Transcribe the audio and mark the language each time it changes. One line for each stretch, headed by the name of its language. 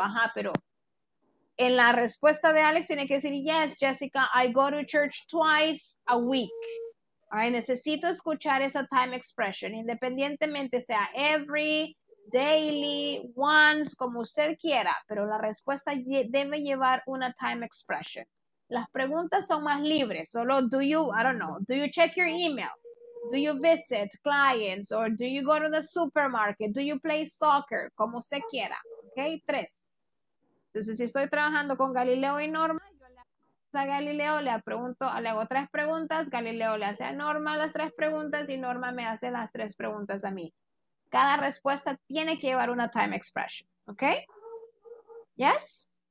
Spanish: Ajá, pero en la respuesta de Alex tiene que decir,
English: yes, Jessica, I go to church twice a week.
Spanish: All right, necesito escuchar esa time expression, independientemente sea every, daily, once, como usted quiera. Pero la respuesta debe llevar una time expression. Las preguntas son más libres.
English: Solo, do you, I don't know, do you check your email? Do you visit clients or do you go to the supermarket? Do you play soccer?
Spanish: Como usted quiera. Ok, tres. Entonces, si estoy trabajando con Galileo y Norma, yo le hago a Galileo, le pregunto, le hago tres preguntas. Galileo le hace a Norma las tres preguntas y Norma me hace las tres preguntas a mí. Cada respuesta tiene que llevar una time expression. Ok. Yes.